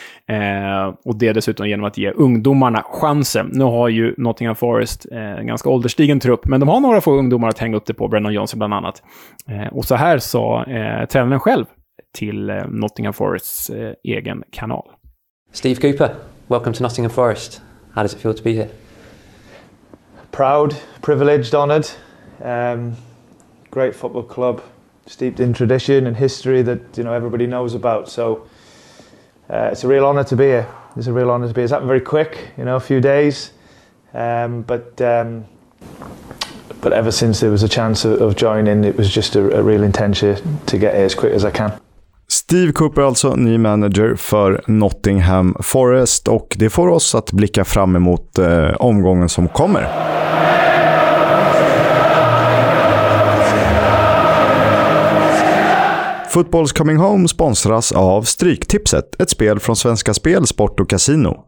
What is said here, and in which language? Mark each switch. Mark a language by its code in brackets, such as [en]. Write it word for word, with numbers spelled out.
[sv] Eh, och det dessutom genom att ge ungdomarna chansen. Nu har ju Nottingham Forest eh, en ganska ålderstigen trupp, men de har några få ungdomar att hänga upp det på, Brennan Johnson bland annat. Eh, och så här sa eh, tränaren själv till eh, Nottingham Forests eh, egen kanal. [en] Steve Cooper, welcome to Nottingham Forest. How does it feel to be here? Proud, privileged, honoured. Um, great football club. Steeped in tradition and history that you know everybody knows about, so uh, it's a real honour to be here. It's a real honour to be here. It's happened very quick, you know, a few days, um, but um, but ever since there was a chance of, of joining, it was just a, a real intention to get here as quick as I can. [sv] Steve Cooper alltså, ny manager för Nottingham Forest, och det får oss att blicka fram emot eh, omgången som kommer. Footballs Coming Home sponsras av Stryktipset, ett spel från Svenska Spel, Sport och Casino.